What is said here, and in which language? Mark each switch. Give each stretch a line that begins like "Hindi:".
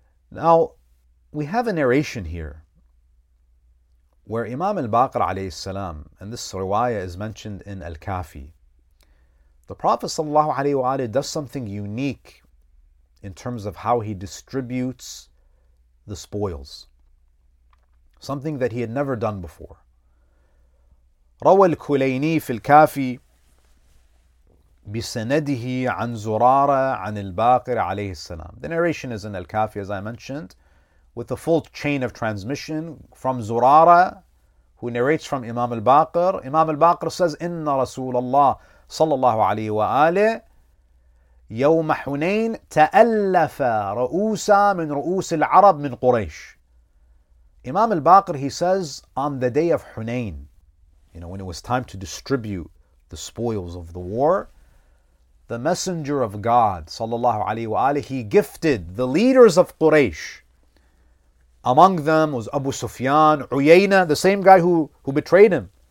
English: Now, we have a narration here where Imam al-Baqir alayhi salam, and this riwayah is mentioned in Al-Kafi, the Prophet sallallahu alayhi wa alayhi does something unique in terms of how he distributes the spoils. something that he had never done before.
Arabic: روى الكليني في الكافي بسنده عن زرارة عن الباقر عليه السلام.
English: The narration is in Al-Kafi, as I mentioned, with a full chain of transmission from Zurara, who narrates from Imam Al-Baqir. Imam Al-Baqir says,
Arabic: إِنَّ رَسُولَ اللَّهِ صَلَّى اللَّهُ عَلَيْهِ وَآلِهِ يَوْمَ حُنَيْنِ تَأَلَّفَ رَؤُوسَ مِنْ رُؤُوسِ الْعَرَبِ مِنْ قُرَيْشِ.
English: Imam Al-Baqir, he says, on the day of Hunayn, you know, when it was time to distribute the spoils of the war, the Messenger of God, sallallahu alayhi wa alayhi, he gifted the leaders of Quraysh. Among them was Abu Sufyan, Uyayna, the same guy who betrayed him.